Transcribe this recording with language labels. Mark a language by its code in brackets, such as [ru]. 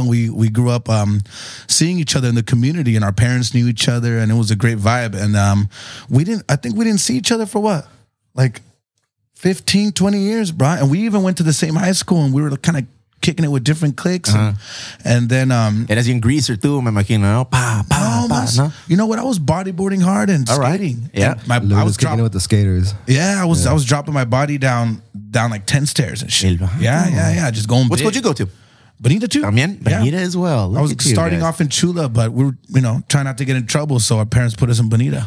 [en] And we grew up seeing each other in the community, and our parents knew each other, and it was a great vibe. And I think we didn't see each other for what? Like 15, 20 years, bro. And we even went to the same high school, and we were kind of kicking it with different cliques. And then [es] eras bien greaser too, me imagino, ¿no? [en] You know what? I was bodyboarding hard and all skating. Right. Yeah. I was kicking it with the skaters. Yeah, I was dropping my body down like 10 stairs and shit. Yeah. Just going big. What school did you go to? Bonita too. También Bonita as well. Look, I was starting off in Chula, but we were, you know, trying not to get in trouble. So our parents put us in Bonita.